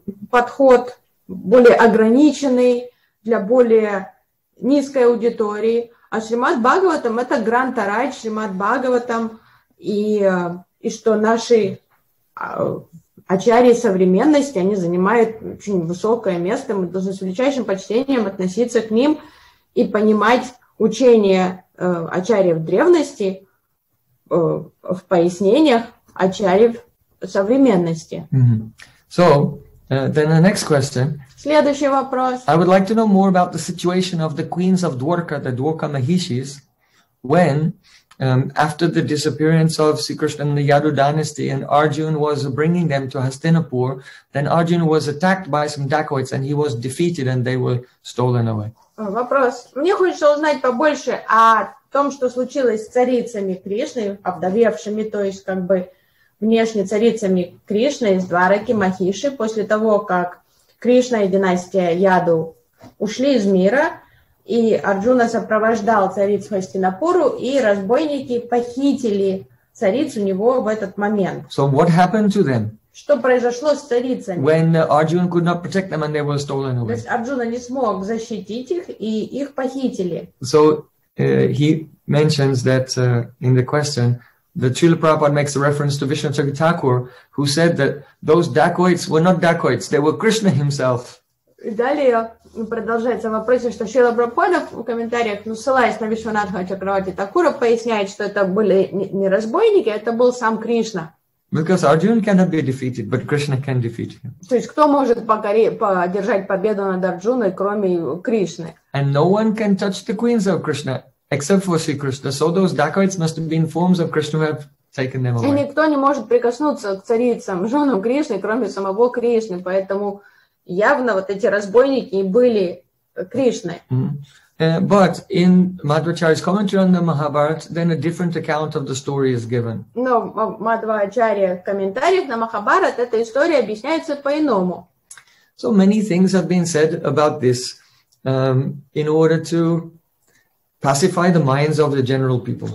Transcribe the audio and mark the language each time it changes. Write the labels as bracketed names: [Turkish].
[Russian] подход, более ограниченный для более низкой аудитории, а Шримад Бхагаватам это грантарай Шримад Бхагаватам, и что наши ачарьи современности, они занимают очень высокое место, мы должны с величайшим почтением относиться к ним и понимать учение ачарьев древности в пояснениях ачарьев современности. [English] Mm-hmm. So, then the next question. [Russian] Следующий вопрос. [English] I would like to know more about the situation of the queens of Dwarka, the Dwarka Mahishis, when after the disappearance of Sri Krishna and the Yadu dynasty and Arjun was bringing them to Hastinapur, then Arjun was attacked by some dacoits and he was defeated and they were stolen away. [Russian] Вопрос. Мне хочется узнать побольше о том, что случилось с царицами Кришны, обдавевшими, то есть как бы внешне царицами Кришны из Двараки Махиши, после того, как Кришна и династия Яду ушли из мира, и Арджуна сопровождал царицу Хастинапуру, и разбойники похитили цариц у него в этот момент. [English] So what happened to them? [Russian] Что произошло с царицами? [English] When Arjun could not protect them and they were stolen away. [Russian] То есть Арджуна не смог защитить их, и их похитили. [English] So he mentions that in the question, the Srila Prabhupada makes a reference to Vishnu Chakritakur, who said that those dacoits were not dacoits, they were Krishna himself. [Russian] И далее продолжается вопрос, что Шрила Прабхупада в комментариях, ну, ссылаясь на Вишванатха Чакравати Такура, поясняет, что это были не разбойники, это был сам Кришна. [English] Because Arjuna cannot be defeated, but Krishna can defeat him. [Russian] То есть кто может одержать победу над Арджуной, кроме Кришны? [English] And no one can touch the queens of Krishna, except for Sri Krishna. So those dacoits must have been forms of Krishna who have taken them away. [Russian] И никто не может прикоснуться к царицам, женам Кришны, кроме самого Кришны, поэтому явно вот эти разбойники были Кришны. Mm-hmm. [English] But in Madhvacharya's commentary on the Mahabharata, then a different account of the story is given. [Russian] Но в Мадхвачарья комментариях на Махабхарат эта история объясняется по-иному. [English] So many things have been said about this in order to pacify the minds of the general people.